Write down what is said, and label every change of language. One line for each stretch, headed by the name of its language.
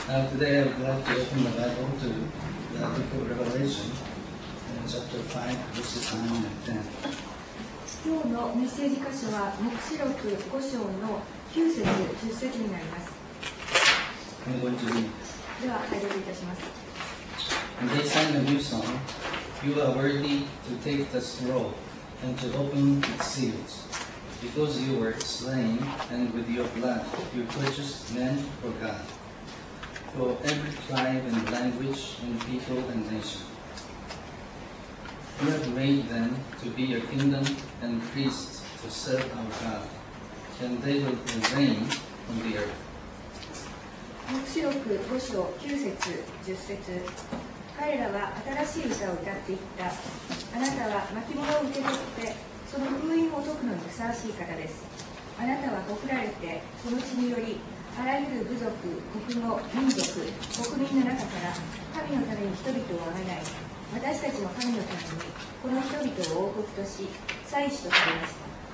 English: Today I would like to open the Bible to the book of Revelation, and chapter 5, verses 9 and 10.
Japanese: 今日のメッセージ箇所は黙示録5章の9節10節になります。
English: I'm going to read.
Japanese: では拝読いたします。
English: And they sang a new song, You are worthy to take the scroll and to open its seals. Because you were slain, and with your blood you purchased men for God, for every tribe and language and people and nation. You have made them to be your kingdom and priests to serve our God, and they will reign on the earth.
Japanese: 黙示録5章9節10節彼らは新しい歌を歌っていった。あなたは巻物を受け取って、その封印を解くのにふさわしい方です。あなたは告られて、その血により、あらゆる部族、国語、民族、国民の中から、神のために人々をあがない、私たちの神のために、この人々を王国とし、祭司とされました。